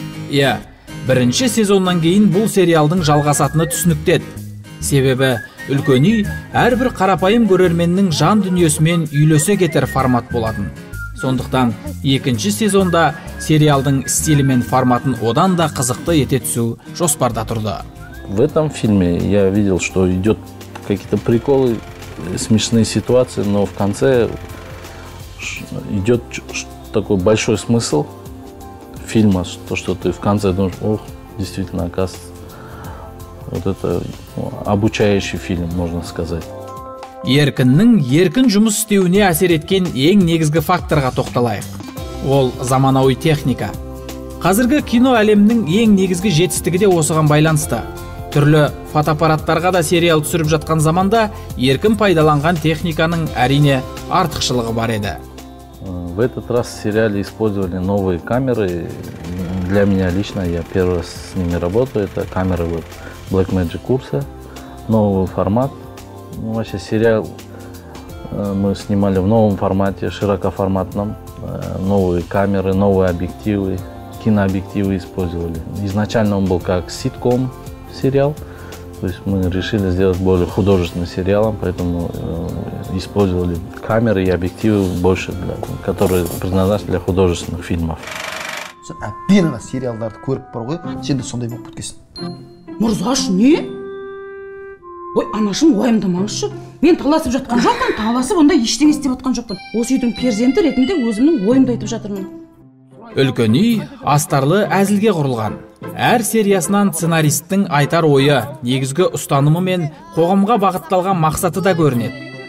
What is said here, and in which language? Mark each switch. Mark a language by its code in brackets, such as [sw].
[kk] Иә, бірінші сезоннан кейін бұл сериалдың жалғасатыны түсінікті еді. Себебі үлкен үй әрбір қарапайым көрерменнің жан дүниесімен үйлесе кетер формат болатын. Сондықтан екінші сезонда сериалдың стилі мен форматын одан да қызықты ете түсу жоспарда тұрды. [ru] В этом фильме я видел, что идет какие-то приколы, смешные ситуации, но в конце идет такой большой смысл фильма, то, что ты в конце думаешь, ох, действительно, оказывается, вот это обучающий фильм, можно сказать. [kk] Еркіннің еркін жұмыс істеуіне әсер еткен ең негізгі факторға тоқталайық. Ол заманауи техника. Қазіргі кино әлемінің ең негізгі жетістігі де осыған байланысты. Түрлі фотоаппараттарға да сериал түсіріп жатқан заманда еркін пайдаланған техниканың әрине артықшылығы бар еді. [ru] В этот раз в сериале использовали новые камеры. Для меня лично, я первый раз с ними работаю, это камеры вот Blackmagic курса, новый формат. Ну, вообще сериал мы снимали в новом формате, широкоформатном. Новые камеры, новые объективы, кинообъективы использовали. Изначально он был как ситком сериал, то есть мы решили сделать более художественным сериалом, поэтому использовали камеры и объективы больше, которые предназначены для художественных фильмов. [kk] Әппен әна сериалдарды көріп бар ғой, сен де сондай болып кеткесін. Мұрзаш, не? Ой, анашым, ойымдамаңызшы. Мен таласып жатқан жоқпын, таласып онда ештең істеп жатқан жоқпын. Осы үйдің перзенті ретінде өзімнің ойымды айтып жатырмын. Үлкен үй астарлы әзілге құрылған. Әр сериясынан сценаристтің айтар ойы, негізгі ұстанымы мен қоғамға бағытталған мақсаты да көрінеді.